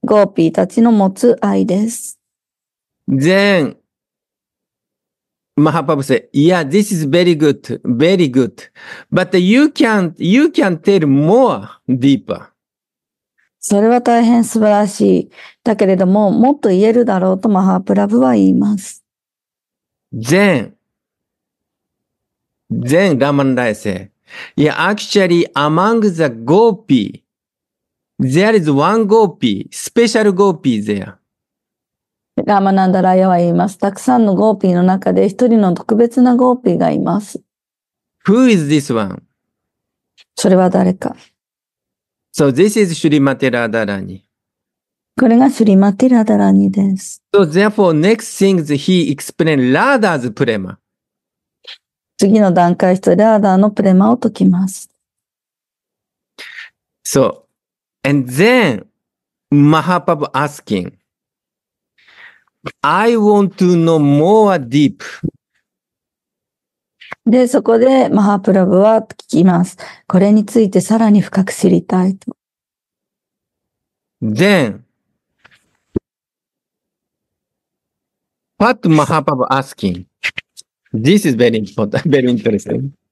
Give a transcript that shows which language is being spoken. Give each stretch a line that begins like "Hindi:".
Japanese: ゴーピーたちの持つ愛です。
English: Then, Mahaprabhu said, yeah, this is very good, very good. But you can tell more deeper.
Japanese: それは大変素晴らしい。だけれども、もっと言えるだろうとマハプラブは言います。
English: Then, Raman Raya said,Yeah, actually, among the gopi, there is one gopi, special gopi there.
Japanese: ラマナンダラヤは言います。たくさんのゴーピーの中で一人の特別なゴーピーがいます。
English: Who is this one?
Japanese: それは誰か。
English: So this is Srimati Radharani.
Japanese: これが Srimati Radharani です。
English: So therefore, next thing is he explained Radha's prema.
Japanese: 次の段階して Radha のプレマを解きます。
English: So, and then Mahaprabhu asking, I want to know more deep.
Japanese: で、そこでマハプラブは聞きます。これについてさらに深く知りたいと。
English: Then, what Mahaprabhu asking? This is very important, very interesting.